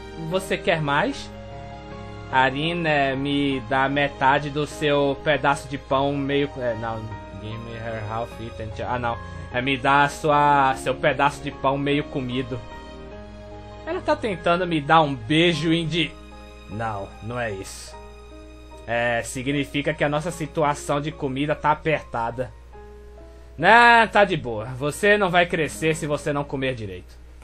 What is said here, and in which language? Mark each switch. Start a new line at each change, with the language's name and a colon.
Portuguese: Você quer mais? A Rin me dá metade do seu pedaço de pão meio...
English: Não, give me her half eaten.
Portuguese: Ah, não. É me dá seu pedaço de pão meio comido. Ela tá tentando me dar um beijo indi... Não, não é isso. É, significa que a nossa situação de comida tá apertada. Ah, tá de boa. Você não vai crescer se você não comer direito.